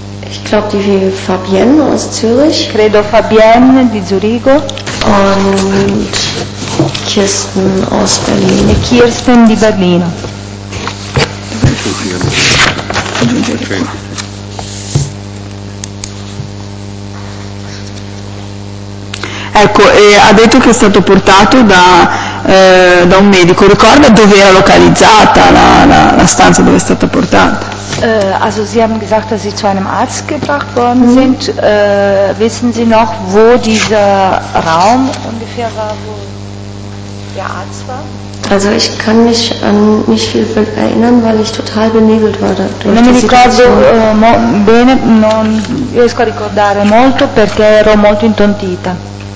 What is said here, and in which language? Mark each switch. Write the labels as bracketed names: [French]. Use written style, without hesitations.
[German] Ich glaube, die Fabienne aus Zürich. [Italian] Credo Fabienne di Zurigo. [German] Und Kirsten aus Berlin. [Italian] E Kirsten di Berlino. Ecco, ha detto che è stato portato da un medico. Ricorda dove era localizzata la stanza dove è stata portata? [German] Also Sie haben gesagt, dass Sie zu einem Arzt gebracht worden sind. Wissen Sie noch, wo dieser Raum ungefähr war, wo der Arzt war? Also ich kann mich an nicht viel erinnern, weil ich total benebelt war. [Italian] Non mi ricordo bene, non riesco a ricordare molto perché ero molto intontita.